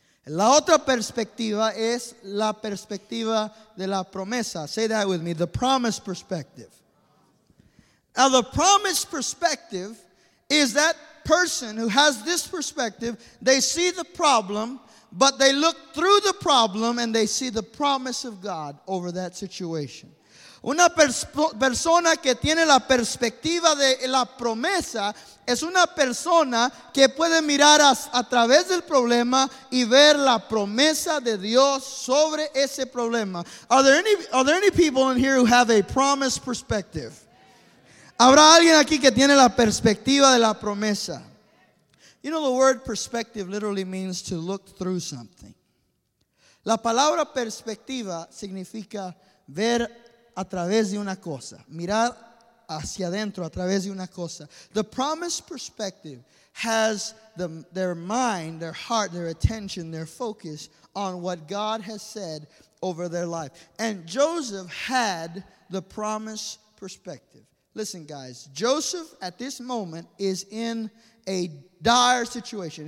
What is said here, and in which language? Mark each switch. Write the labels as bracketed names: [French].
[Spanish] La otra perspectiva es la perspectiva de la promesa. [English] Say that with me, the promise perspective. Now, the promised perspective is that person who has this perspective, they see the problem, but they look through the problem and they see the promise of God over that situation. [Spanish] Una persona que tiene la perspectiva de la promesa es una persona que puede mirar a través del problema y ver la promesa de Dios sobre ese problema. [English] Are there any people in here who have a promise perspective? [Spanish] ¿Habrá alguien aquí que tiene la perspectiva de la promesa? [English] You know, the word perspective literally means to look through something. [Spanish] La palabra perspectiva significa ver a través de una cosa, mirar hacia adentro a través de una cosa. [English] The promised perspective has their mind, their heart, their attention, their focus on what God has said over their life. And Joseph had the promised perspective. Listen, guys, Joseph at this moment is in a dire situation.